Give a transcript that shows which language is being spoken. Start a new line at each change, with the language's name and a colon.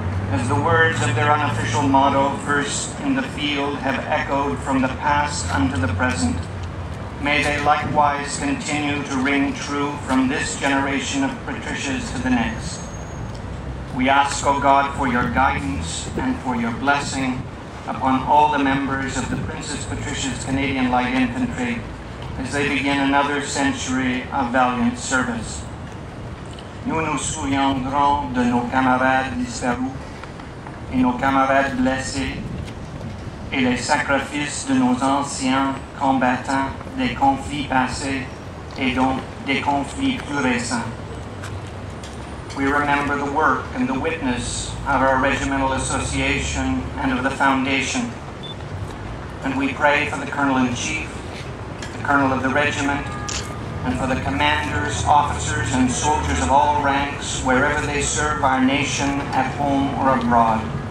English: As the words of their unofficial motto, first in the field, have echoed from the past unto the present, may they likewise continue to ring true from this generation of Patricias to the next. We ask, O God, for your guidance and for your blessing upon all the members of the Princess Patricia's Canadian Light Infantry as they begin another century of valiant service.
French: Nous nous souviendrons de nos camarades disparus et nos camarades blessés et les sacrifices de nos anciens combattants des conflits passés et donc des conflits plus récents.
English: We remember the work and the witness of our regimental association and of the foundation. And we pray for the Colonel in Chief, the Colonel of the Regiment, and for the commanders, officers, and soldiers of all ranks, wherever they serve our nation, at home or abroad.